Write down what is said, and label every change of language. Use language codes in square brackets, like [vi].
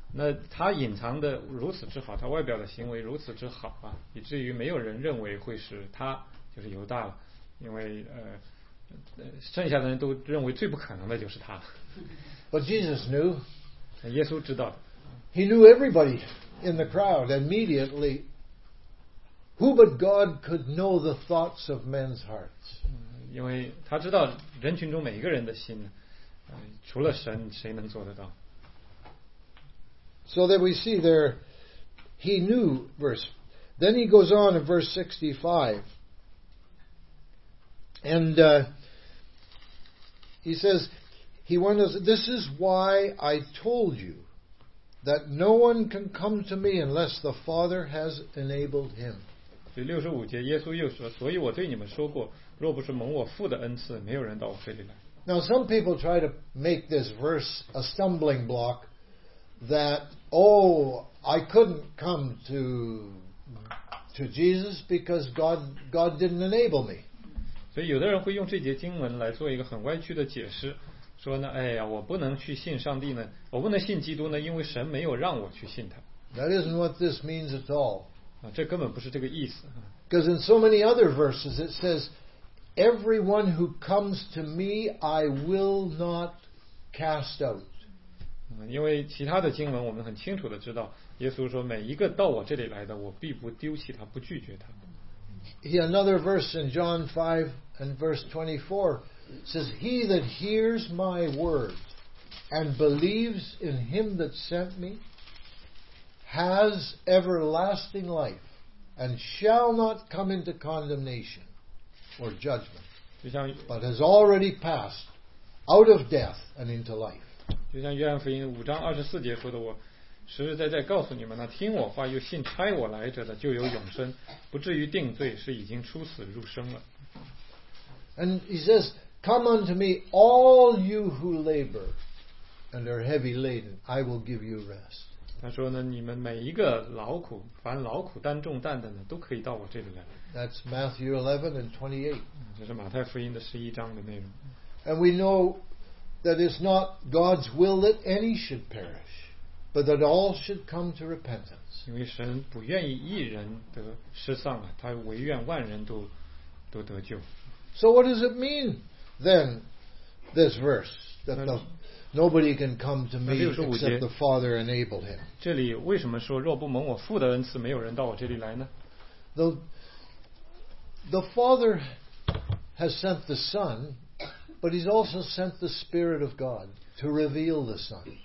[zh] 那他隐藏的如此之好，他外表的行为如此之好啊，以至于没有人认为会是他，就是犹大了，因为剩下的人都认为最不可能的就是他。 [en] But Jesus knew. [zh] 耶稣知道。 [en] He knew everybody in the crowd immediately. Who but God could know the thoughts of men's hearts? [zh] 因为他知道人群中每一个人的心，除了神，谁能做得到 [en] ？So that we see there, he knew verse. Then he goes on in verse 65. And he says, he went, this is why I told you that no one can come to me unless the Father has enabled him. [zh] 第六十五节，耶稣又说，所以我对你们说过，若不是蒙我父的恩赐，没有人到我这里来。 [en] Now some people try to make this verse a stumbling block that, oh, I couldn't come to Jesus because God didn't enable me. [zh] 所以有的人会用这节经文来做一个很歪曲的解释，说呢，哎呀，我不能去信上帝呢，我不能信基督呢，因为神没有让我去信他。 [en] That isn't what this means at all. [zh] 啊，这根本不是这个意思。 [en] Because in so many other verses it says, "Everyone who comes to me, I will not cast out." [zh] 因为其他的经文我们很清楚的知道，耶稣说每一个到我这里来的，我必不丢弃他，不拒绝他。 [en] Another verse in John 5 and verse 24 says, "He that hears my word and believes in him that sent me has everlasting life and shall not come into condemnation or judgment, but has already passed out of death and into life." [zh] 就像约翰福音五章二十四节说的，我实实在在告诉你们，那听我话又信差我来者的就有永生，不至于定罪，是已经出死入生了。 [en] And he says, "Come unto me, all you who labor and are heavy laden, I will give you rest." [zh] 他说呢，你们每一个劳苦，凡劳苦担重担的呢，都可以到我这里来。 [en] That's Matthew 11 and 28. [zh] 这是马太福音的十一章的内容。 [en] And we know that it's not God's will that any should perish. But that all should come to repentance. [zh] 因为神不愿意一人得失丧啊，他唯愿万人都得救。 [en] So what does it mean then, this verse that nobody can come to me except the Father enabled him? [zh] 这里为什么说若不蒙我父的恩赐，没有人到我这里来呢？ [en] The Father has sent the Son, but He's also sent the Spirit of God to reveal the Son.